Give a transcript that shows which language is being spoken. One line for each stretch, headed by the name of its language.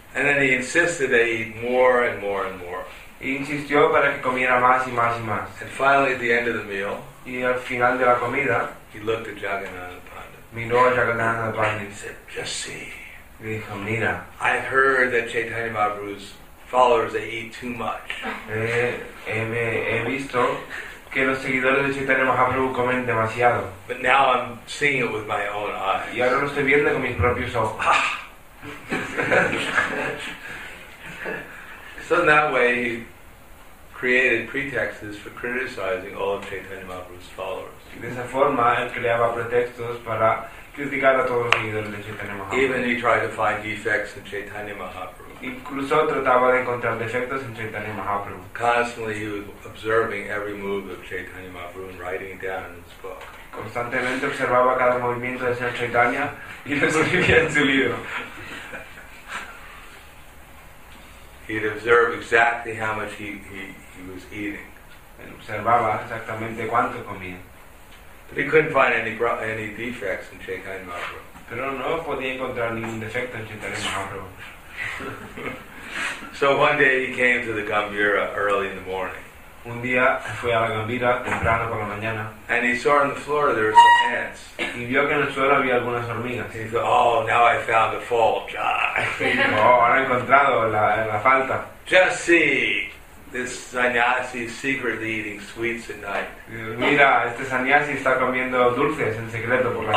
English: And then he insisted that he eat more and more and more.
Spanish: Y insistió para que comiera más y más y más.
English: And finally, at the end of the meal,
Spanish: y al final de la comida,
English: he looked at Jagannanda Pandit.
Spanish: Miró a Jagannanda Pandit.
English: He said, "Just see."
Spanish: Y dijo, "Mira."
English: I've heard that Chaitanya Mahaprabhu's followers they eat too much.
Spanish: He visto que los seguidores de Chaitanya Mahaprabhu comen demasiado.
English: But now I'm seeing it with my own eyes.
Spanish: Y ahora lo estoy viendo con mis propios ojos. Ah!
English: So in that way he created pretexts for criticizing all of Chaitanya Mahaprabhu's followers.
Spanish: De esa forma él creaba pretextos para criticar a todos los seguidores de Chaitanya Mahaprabhu.
English: Even he tried to find defects in Chaitanya Mahaprabhu.
Spanish: Incluso trataba de encontrar defectos en Chaitanya Mahaprabhu.
English: Constantly he was observing every move of Chaitanya Mahaprabhu and writing it down in his book.
Spanish: Constantemente observaba cada movimiento de Señor Chaitanya y lo escribía en su libro.
English: He'd observe exactly how much he was eating.
Spanish: Observaba exactamente cuánto comía.
English: But he couldn't find any defects in Chaitanya Mahaprabhu.
Spanish: Pero no podía encontrar ningún defecto en Chaitanya Mahaprabhu.
English: So one day he came to the Gambira early in the morning.
Spanish: Un día fue a la Gambira temprano por la mañana.
English: And he saw on the floor there were some ants.
Spanish: Y vio que en el suelo había algunas hormigas.
English: He thought, "Oh, now I found the fault."
Spanish: Ahora he encontrado la falta.
English: Just see this sannyasi secretly eating sweets at night.
Spanish: Mira, este sannyasi está comiendo dulces en secreto por la noche.